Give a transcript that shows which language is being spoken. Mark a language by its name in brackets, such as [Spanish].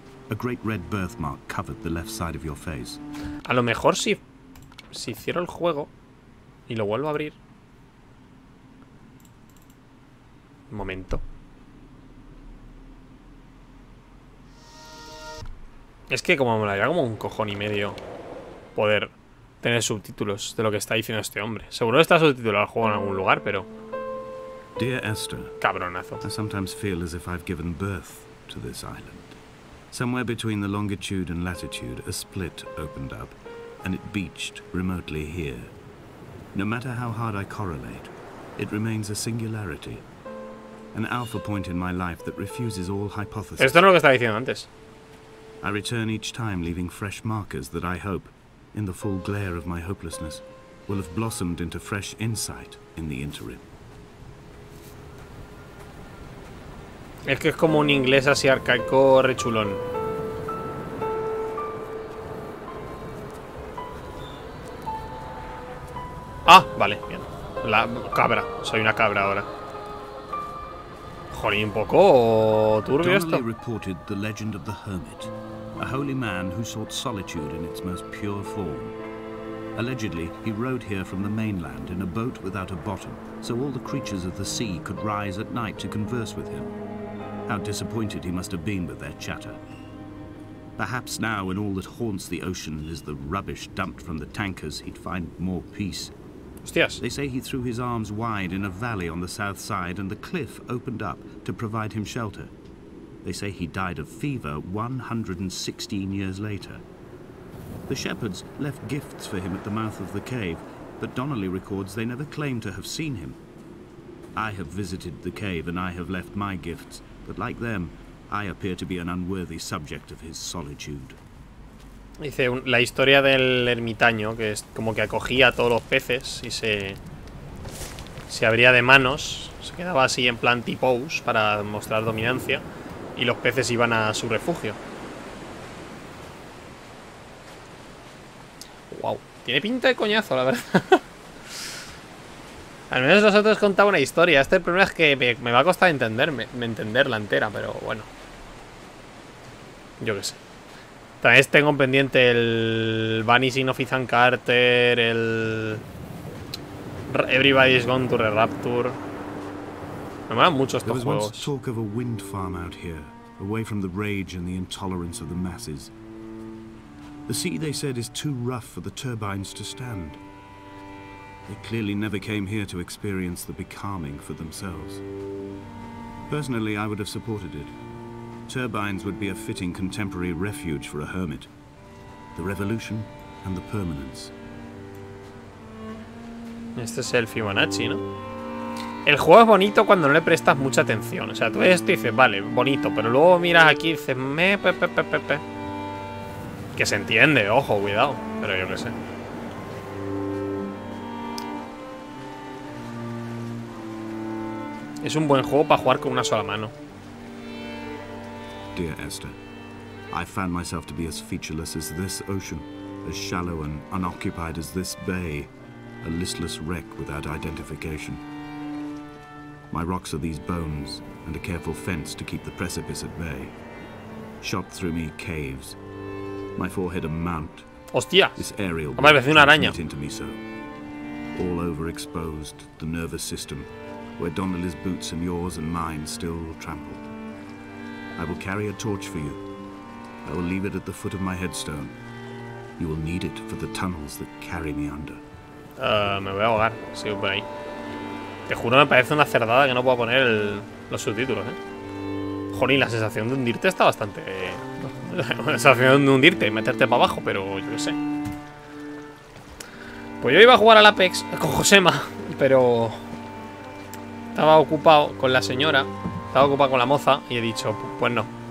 [English] A great red birthmark covered the left side of your face. [Spanish] A lo mejor si cierro el juego y lo vuelvo a abrir. Un momento. Es que como me daría como un cojón y medio poder tener subtítulos de lo que está diciendo este hombre. Seguro está subtitulado el juego en algún lugar, pero [English] Dear Esther, [Spanish] cabronazo. [English] I sometimes feel as if I've given birth to this island. Somewhere between the longitude and latitude, a split opened up. and it beached remotely here. No matter how hard I correlate, it remains a singularity. An alpha point in my life that refuses all hypotheses. [Spanish] Esto no es lo que estaba diciendo antes. [English] I return each time, leaving fresh markers that I hope, in the full glare of my hopelessness, will have blossomed into fresh insight in the interim. [Spanish] Es que es como un inglés así arcaico, re chulón. Ah, vale, bien. La cabra, soy una cabra ahora. Jolín, un poco turbio esto. [English] Donnelly reported the legend of the hermit, a holy man who sought solitude in its most pure form. Allegedly, he rode here from the mainland in a boat without a bottom, so all the creatures of the sea could rise at night to converse with him. How disappointed he must have been with their chatter. Perhaps now, when all that haunts the ocean is the rubbish dumped from the tankers, he'd find more peace. [Spanish] Hostias. [English] They say he threw his arms wide in a valley on the south side, and the cliff opened up to provide him shelter. They say he died of fever 116 years later. The shepherds left gifts for him at the mouth of the cave, but Donnelly records they never claimed to have seen him. I have visited the cave and I have left my gifts, but like them, I appear to be an unworthy subject of his solitude. [Spanish] Dice la historia del ermitaño, que es como que acogía a todos los peces y se abría de manos, se quedaba así en plan T-pose para mostrar dominancia, y los peces iban a su refugio. Wow, tiene pinta de coñazo, la verdad. Al menos nosotros contaba una historia. Este problema es que me va a costar entenderla entera, pero bueno. Yo qué sé. También tengo pendiente el Vanishing of Ethan Carter, el Everybody's Gone to the Rapture. Me molan mucho estos juegos. [English] There was once talk of a wind farm out here, away from the rage and the intolerance of the masses. The sea, they said, is too rough for the turbines to stand. They clearly never came here to experience the becalming for themselves. Personally, I would have supported it. Turbines would be a fitting contemporary refuge for a hermit. The revolution and the permanence. [Spanish] Este es el Fibonacci, ¿no? El juego es bonito cuando no le prestas mucha atención. O sea, tú ves esto y dices, vale, bonito, pero luego miras aquí y dices, me, pepe. Que se entiende, ojo, cuidado, pero yo qué sé. Es un buen juego para jugar con una sola mano. [English] Dear Esther, I found myself to be as featureless as this ocean, as shallow and unoccupied as this bay, a listless wreck without identification. My rocks are these bones and a careful fence to keep the precipice at bay. Shot through me caves. My forehead a mount. [Spanish] Hostia. [English] This aerial bit into me so. All over exposed, the nervous system, where Donnelly's boots and yours and mine still trampled. I will carry a torch for you. I will leave it at the foot of my headstone. You will need it for the tunnels that carry me under. [Spanish] Me voy a ahogar. Sigo por ahí. Te juro, me parece una cerdada que no pueda poner los subtítulos, ¿eh? Joder, y la sensación de hundirte está bastante... La sensación de hundirte y meterte para abajo, pero yo qué sé. Pues yo iba a jugar al Apex con Josema, pero... Estaba ocupado con la señora, estaba ocupado con la moza y he dicho, pues no.